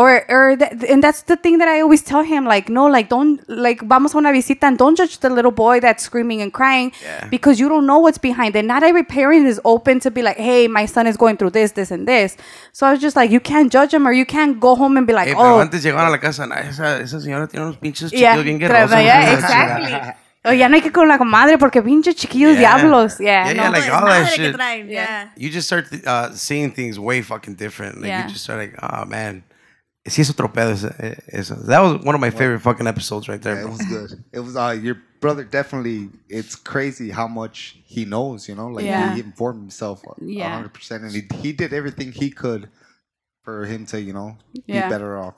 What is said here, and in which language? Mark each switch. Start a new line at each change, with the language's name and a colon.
English: And that's the thing that I always tell him, like, no, like, don't, like,
Spanish: vamos a una visita
English: and don't judge the little boy that's screaming and crying yeah. because you don't know what's behind it. Not every parent is open to be like, hey, my son is going through this, this, and this. So I was just like, you can't judge him, or you can't go home and be like, hey,
Spanish: antes llegaron a la casa, esa señora tiene unos pinches chiquillos bien guerrosos.
English: Yeah, exactly.
Spanish: Oh, ya no hay que con la comadre porque pinche chiquillos diablos.
English: Yeah, yeah, yeah, no. Like, all that shit. Yeah. You just start seeing things way fucking different. Like, yeah. You just start like, oh, man.
Spanish: Si es otro pedo.
English: That was one of my favorite fucking episodes right there. Yeah, it was good. It was your brother definitely, it's crazy how much he knows, you know? Like, yeah. He informed himself 100%. And he did everything he could for him to, you know, be better off.